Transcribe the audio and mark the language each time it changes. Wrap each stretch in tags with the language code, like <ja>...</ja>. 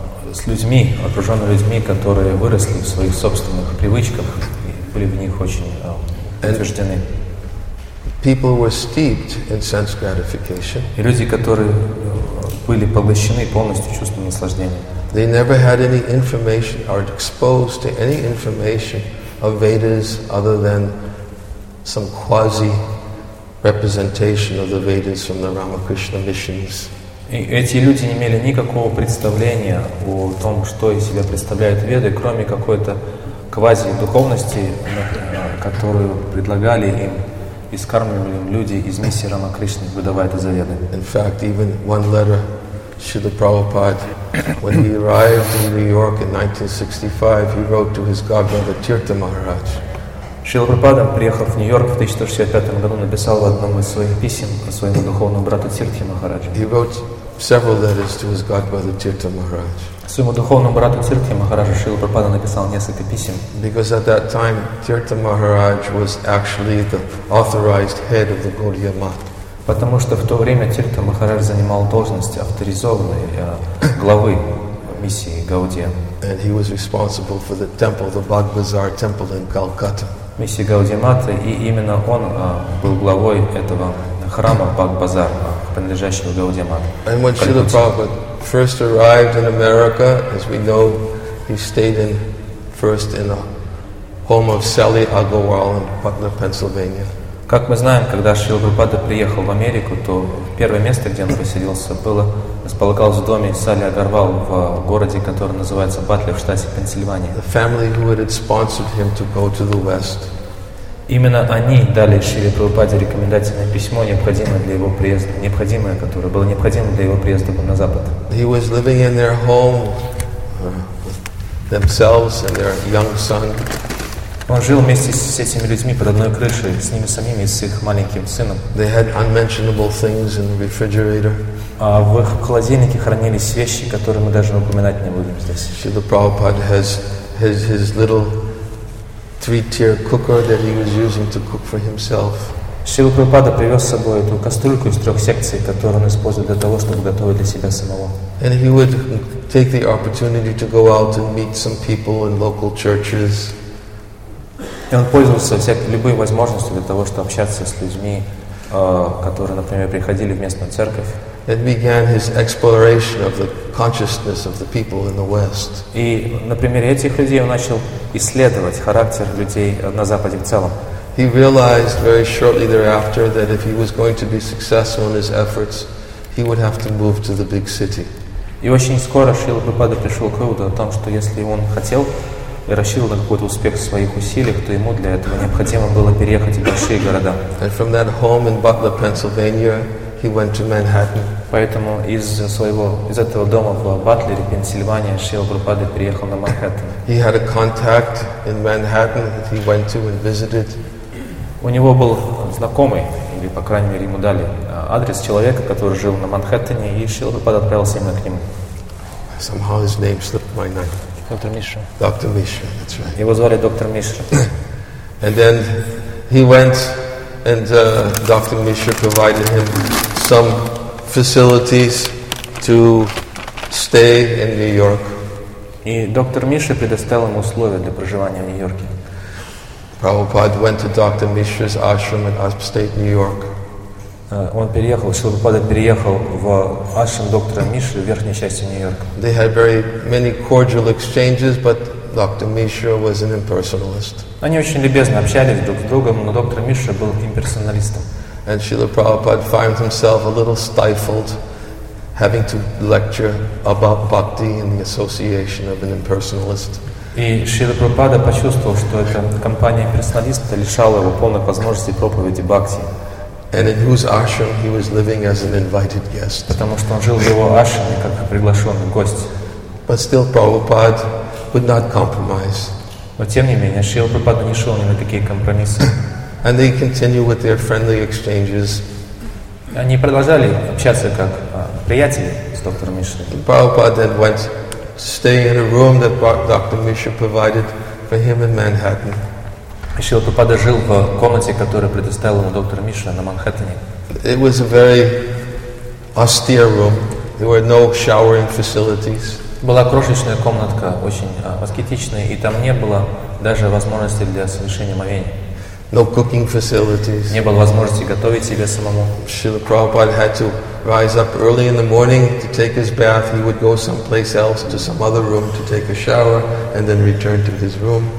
<ru>И с людьми, окруженными людьми, которые выросли в своих собственных привычках и были в них очень утверждены.</ru> <en>People were steeped in sense gratification.</en> <ru>И люди, которые были поглощены полностью чувством наслаждения.</ru> <en>They never had any information or exposed to any information of Vedas other than some quasi representation of the Vedas from the Ramakrishna missions.</en> <ru>И эти люди не имели никакого представления о том, что из себя представляют Веды, кроме какой-то квази-духовности, которую предлагали им и скармливали им люди из миссии Рамакришны, выдавая это за Веды.</ru> <en>In fact, even one letter Srila Prabhupada, when he arrived in New York in 1965, he wrote to his godbrother Тирта Махарадж.</en> <ru>Шрила Прабхупада, приехав в Нью-Йорк в 1965 году, написал в одном из своих писем своему духовному брату Тирте Махараджу.</ru> <en>He wrote several letters to his godbrother Tirtha Maharaj.</en> <ru>Своему духовному брату Тирте Махараджу Шрила Прабхупада написал несколько писем.</ru> <en>Because at that time Tirtha Maharaj was actually the authorized head of the Gaudiya Math.</en> <ru>Потому что в то время Тирта Махарадж занимал должность авторизованной главы миссии Гаудия.</ru> <en>And he was responsible for the temple, the Bagh Bazar temple in Calcutta.</en> <ru>Миссии Гаудия Маты, и именно он был главой этого храма Багх Базар, принадлежащего Гаудия Мате.</ru> <en>And when Srila Prabhupada first arrived in America, as we know, he stayed in first in the home of Sally Agarwal in Putna, Pennsylvania.</en> <ru>Как мы знаем, когда Шрила Прабхупада приехал в Америку, то первое место, где он поселился, было располагалось в доме Сали Агарвал в городе, который называется Батли в штате Пенсильвания.</ru> <en>The family who had sponsored him to go to the West.</en> <ru>Именно они дали Шриле Прабхупаде рекомендательное письмо, необходимое для его приезда, необходимое, которое было необходимо для его приезда на Запад.</ru> <en>He was living in their home themselves and their young son.</en> <ru>Он жил вместе с этими людьми под одной крышей, с ними самими и с их маленьким сыном.</ru> <en>They had unmentionable things in the refrigerator.</en> <ru>А в их холодильнике хранились вещи, которые мы даже упоминать не будем здесь.</ru> <en>Шрила Прабхупада has his little three-tier cooker that he was using to cook for himself.</en> <ru>Шрила Прабхупада привез с собой эту кастрюльку из трех секций, которую он использует для того, чтобы готовить для себя самого.</ru> <en>And he would take the opportunity to go out and meet some people in local churches.</en> <ru>И он пользовался всякой любой возможностью для того, чтобы общаться с людьми, которые, например, приходили в местную церковь.</ru> <en>And began his exploration of the consciousness of the people in the West.</en> <ru>И на примере этих людей он начал исследовать характер людей на Западе в целом.</ru> <en>He realized very shortly thereafter that if he was going to be successful in his efforts, he would have to move to the big city.</en> <ru>И очень скоро Шрила Прабхупада пришел к выводу о том, что если он хотел и рассчитывал на какой-то успех в своих усилиях, то ему для этого необходимо было переехать в большие города.</ru> <en>And from that home in Butler, Pennsylvania, he went to Manhattan.</en> <ru>Поэтому из этого дома в Батлере, Пенсильвания, Шрила Прабхупада переехал на Манхэттен.</ru> <en>He had a contact in Manhattan that he went to and visited.</en> <ru>У него был знакомый, или, по крайней мере, ему дали адрес человека, который жил на Манхэттене, и Шрила Прабхупада отправился именно к нему.</ru> <en>Somehow his name slipped my mind.</en> <ru>Доктор Мишра.</ru> <en>Доктор Мишра, that's right.</en> <ru>Его звали доктор Мишра.</ru> <en>And then he went and Dr. Mishra provided him some facilities to stay in New York.</en> <ru>И доктор Мишра предоставил ему условия для проживания в Нью-Йорке.</ru> <en>Prabhupada went to Dr. Mishra's ashram in upstate New York.</en> <ru>Он переехал, Шрила Прабхупада переехал в ашрам доктора Мишры в верхней части Нью-Йорка.</ru> <en>They had very many cordial exchanges, but Dr. Mishra was an impersonalist.</en> <ru>Они очень любезно общались друг с другом, но доктор Мишра был имперсоналистом.</ru> <en>And Srila Prabhupada found himself a little stifled, having to lecture about bhakti in the association of an impersonalist.</en> <ru>И Шрила Прабхупада почувствовал, что эта компания имперсоналиста лишала его полной возможности проповеди бхакти.</ru> <en>And in whose ashram he was living as an invited guest.</en> <ru>Потому что он жил в его ашраме как приглашенный гость.</ru> <en>But still, Prabhupada would not compromise.</en> <ru>Но тем не менее, Шрила Прабхупада не шел ни на какие компромиссы.</ru> <en>And they continued with their friendly exchanges.</en> <ru>Они продолжали общаться как приятели с доктором Мишрой.</ru> <en>Prabhupada then went to stay in a room that Dr. Mishra provided for him in Manhattan.</en> <ru>И Шрила Прабхупада жил в комнате, которую предоставил ему доктор Мишра на Манхэттене.</ru> <en>It was a very austere room. There were no showering facilities.</en> <ru>Была крошечная комнатка, очень аскетичная, и там не было даже возможности для совершения омовения.</ru> <en>No cooking facilities.</en> <ru>Не было возможности готовить себе самому.</ru> <en>Шрила Прабхупада had to rise up early in the morning to take his bath. He would go someplace else to some other room to take a shower and then return to his room.</en>